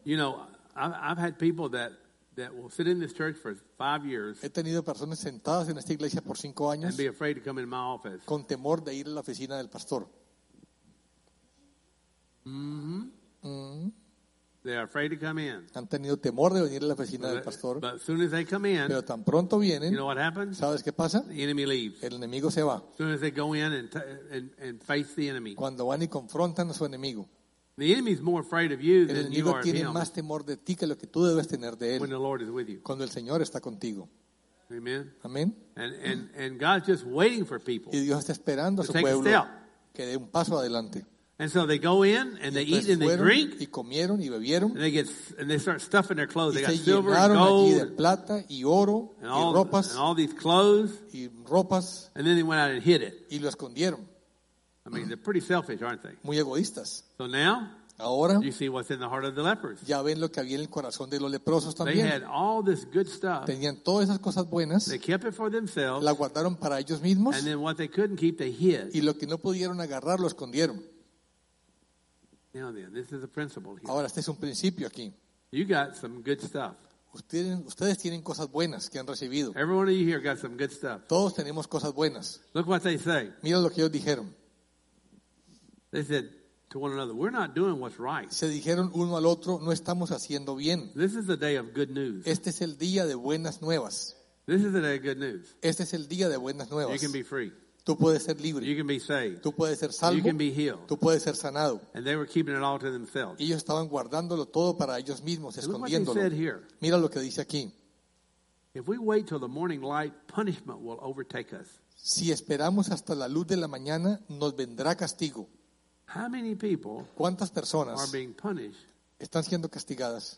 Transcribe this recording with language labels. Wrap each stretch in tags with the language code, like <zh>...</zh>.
<en>You know, I've had people that will sit in this church for 5 years.</en> <es>He tenido personas sentadas en esta iglesia por 5 años.</es> <en>And be afraid to come in my office.</en> <es>Con temor de ir a la oficina del pastor. Mm-hmm.</es> <en>They are afraid to come in.</en> <es>Han tenido temor de venir a la oficina del pastor.</es> <en>But as soon as they come in,</en> <es>pero tan pronto vienen,</es> <en>you know what happens?</en> <es>¿Sabes qué pasa?</es> <en>The enemy leaves.</en> <es>El enemigo se va.</es> <en>As soon as they go in and face the enemy.</en> <es>Cuando van y confrontan a su enemigo.</es> <en>The enemy is more afraid of you than you are of him.</en> <es>El enemigo tiene más temor de ti que lo que tú debes tener de él.</es> <en>When the Lord is with you.</en> <es>Cuando el Señor está contigo.</es> <en>Amen.</en> <es>Amén.</es> <en>And God's just waiting for people.</en> <es>Y Dios está esperando a su pueblo que dé un paso adelante.</es> <en>And so they go in and they eat and they drink.</en> <es>Y comieron y bebieron.</es> <en>And they start stuffing their clothes.</en> <es>Y</es> <en>they got silver and gold.</en> <es>Y se llenaron de plata y oro</es> <en>and all,</en> <es>y ropas.</es> <en>And all these clothes.</en> <es>Y ropas.</es> <en>And then they went out and hid it.</en> <es>Y lo escondieron.</es> <en>I mean, they're pretty selfish, aren't they?</en> <es>Muy egoístas.</es> <en>So now,</en> <es>ahora,</es> <en>you see what's in the heart of the lepers.</en> <es>Ya ven lo que había en el corazón de los leprosos también.</es> <en>They had all this good stuff.</en> <es>Tenían todas esas cosas buenas.</es> <en>They kept it for themselves.</en> <es>La guardaron para ellos mismos.</es> <en>And then what they couldn't keep, they hid.</en> <es>Y lo que no pudieron agarrar, lo escondieron.</es> <en>Now then, this is a principle here.</en> <es>Ahora, este es un principio aquí.</es> <en>You got some good stuff.</en> <es>Ustedes tienen cosas buenas que han recibido.</es> <en>Every one of you here got some good stuff.</en> <es>Todos tenemos cosas buenas.</es> <en>Look what they say.</en> <es>Mira lo que ellos dijeron.</es> <en>They said to one another, "We're not doing what's right."</en> <es>Se dijeron uno al otro, "No estamos haciendo bien."</es> <en>This is the day of good news.</en> <es>Este es el día de buenas nuevas.</es> <en>This is the day of good news.</en> <es>Este es el día de buenas nuevas.</es> <en>You can be free.</en> <es>Tú puedes ser libre.</es> <en>You can be saved.</en> <es>Tú puedes ser salvo.</es> <en>You can be healed.</en> <es>Tú puedes ser sanado.</es> <en>And they were keeping it all to themselves.</en> <es>Ellos estaban guardándolo todo para ellos mismos, escondiéndolo.</es> <en>Look what he said here.</en> <es>Mira lo que dice aquí.</es> <en>If we wait till the morning light, punishment will overtake us.</en> <es>Si esperamos hasta la luz de la mañana, nos vendrá castigo.</es> <en>How many people</en> <es>¿Cuántas personas</es> <en>are being punished</en> <es>están siendo castigadas</es>